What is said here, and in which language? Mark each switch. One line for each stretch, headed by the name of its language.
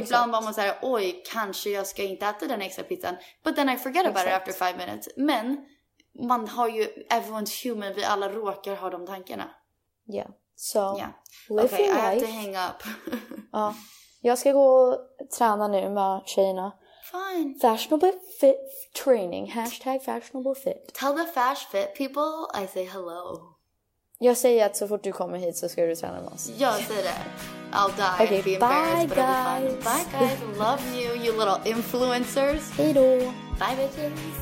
Swedish: ibland var man så här, oj kanske jag ska inte äta den extra pizzan,
English: but then I forget about it after 5 minutes.
Swedish: Men man har ju,
English: everyone's human,
Swedish: vi alla råkar ha de tankarna. Ja. Så. Ja. Okej, jag
English: have to hang up.
Swedish: Ja. Jag ska gå och träna nu med tjejerna.
English: Fine. Fashionable fit training. Hashtag fashionable fit. Tell the fash fit people I say hello.
Swedish: Jag säger att så fort du kommer hit så ska du träna med oss. Jag säger det.
English: I'll die. Okay, be embarrassed, bye guys. Bye guys. Love you, you little influencers.
Swedish: Hej då.
English: Bye bitches.